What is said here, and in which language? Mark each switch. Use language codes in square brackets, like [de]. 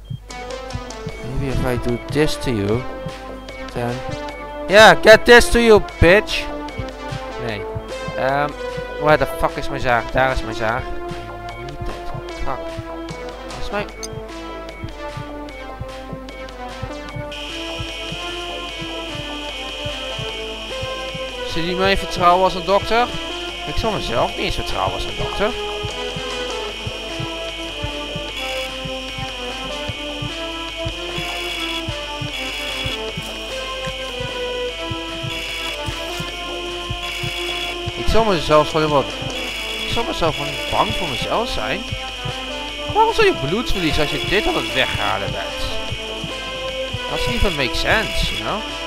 [en] Maybe if I do this to you, then get this to you, bitch. Where the fuck is my zaag? There is my zaag. I need that. Fuck. That's my [nl] Zie je niet mijn vertrouwen als een dokter? Ik zal mezelf niet eens vertrouwen als een dokter. Ik zal mezelf gewoon bang voor mezelf zijn. Waarom zou je bloed verliezen als je dit aan het weghalen bent? [en] Dat doesn't even make sense, you know?